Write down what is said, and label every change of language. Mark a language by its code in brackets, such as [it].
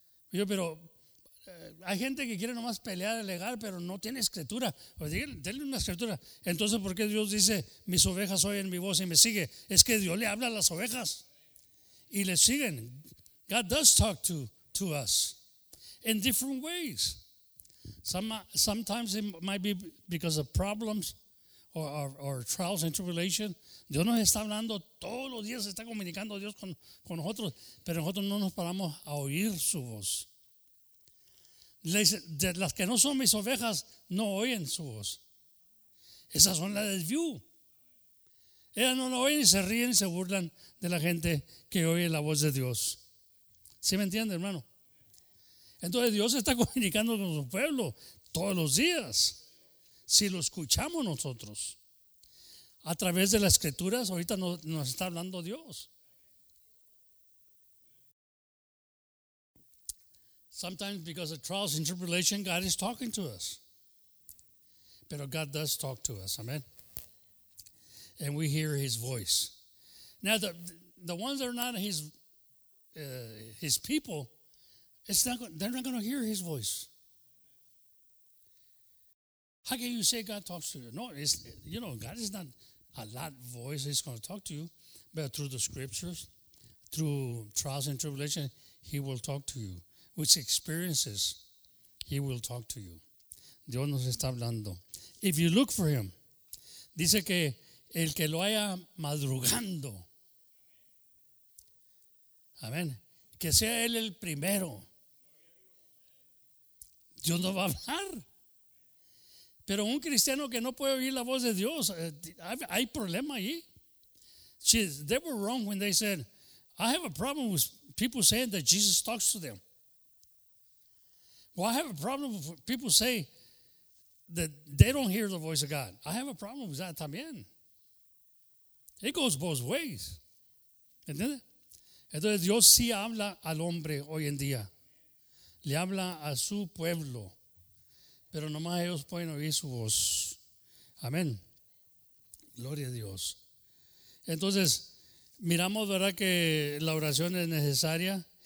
[es] Yo, pero hay gente que quiere nomás pelear legal, pero no tiene escritura. Pues denle una escritura. Entonces, ¿por qué Dios dice, mis ovejas oyen mi voz y me sigue? Es que Dios le habla a las ovejas y le siguen. [en] God does talk to us in different ways. Sometimes it might be because of problems or trials and tribulation. [es] Dios nos está hablando todos los días, se está comunicando Dios con nosotros, pero nosotros no nos paramos a oír su voz. Le dice, de las que no son mis ovejas, no oyen su voz. Esas son las del View. Ellas no lo oyen y se ríen y se burlan de la gente que oye la voz de Dios. ¿Sí me entiende, hermano? Entonces Dios está comunicando con su pueblo todos los días. Si lo escuchamos nosotros, a través de las escrituras, ahorita nos está hablando Dios. [en] Sometimes because of trials and tribulation, God is talking to us. Pero God does talk to us, amen. And we hear his voice. Now the ones that are not his people, they're not going to hear his voice. How can you say God talks to you? No, God is not a loud voice. He's going to talk to you. But through the scriptures, through trials and tribulation, he will talk to you. With experiences, he will talk to you. [es] Dios nos está hablando. [en] If you look for him, [es] dice que el que lo haya madrugando. Amén. Que sea él el primero. Dios no va a hablar. Pero un cristiano que no puede oír la voz de Dios, hay problema ahí. [en] They were wrong when they said, I have a problem with people saying that Jesus talks to them. Well, I have a problem with people say that they don't hear the voice of God. I have a problem with that también. It goes both ways. ¿Entiendes? [es] Entonces Dios sí habla al hombre hoy en día. Le habla a su pueblo. Pero nomás ellos pueden oír su voz. Amén. Gloria a Dios. Entonces, miramos, ¿verdad?, que la oración es necesaria.